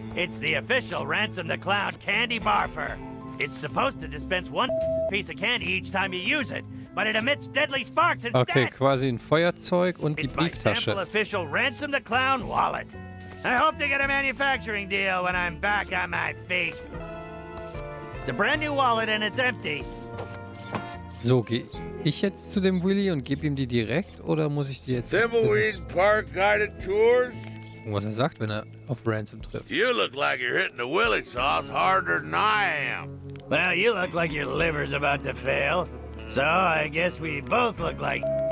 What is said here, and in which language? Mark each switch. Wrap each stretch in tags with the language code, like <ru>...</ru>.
<en>It's the official Ransom the Clown candy barfer. It's supposed to dispense one piece of candy each time you use it, but it emits deadly sparks instead.</en> <de>Okay, quasi ein Feuerzeug und die Brieftasche.</de> <en>It's my sample official Ransom the Clown wallet. I hope to get a manufacturing deal when I'm back on my feet. It's a brand new wallet and it's empty.</en> <de>So, geh ich jetzt zu dem Willy und gebe ihm die direkt, oder muss ich die jetzt...</de> <en>Thimbleweed Park Guided Tours?</en> <de>Was er sagt, wenn er auf Ransom trifft.</de> <en>You look like you're hitting the Willy sauce harder than I am. Well, you look like your liver's about to fail. So, I guess we both look like...</en>